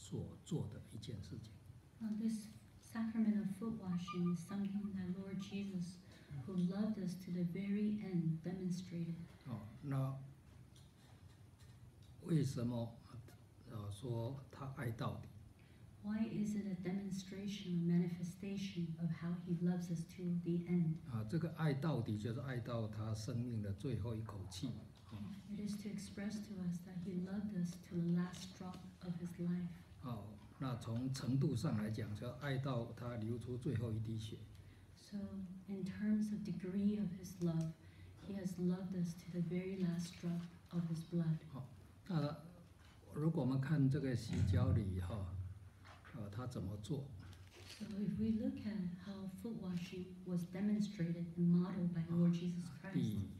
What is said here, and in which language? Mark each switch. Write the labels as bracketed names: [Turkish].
[Chinese] 轮流来念啊，Florence来。逾越节前，以前耶稣知道自己离世归父的时候到了。他既然爱世间属自己的人，就爱他们到底。这个洗脚礼哈，是主耶稣爱我们爱到底哈所做的一件事情。 [English] This sacrament of foot washing is something that Lord Jesus, who loved us to the very end, demonstrated. [Chinese] 为什么说他爱到底？ [English] Why is it a demonstration, a manifestation of how he loves us to the end? [Chinese] 这个爱到底就是爱到他生命的最后一口气。 [English] It is to express to us that he loved us to the last drop of his life. [Chinese] 那从程度上来讲，就爱到他流出最后一滴血。 [English] So in terms of degree of his love, he has loved us to the very last drop of his blood. [Chinese] 如果我们看这个洗脚礼，他怎么做？ [English] So if we look at how foot washing was demonstrated and modeled by Lord Jesus Christ.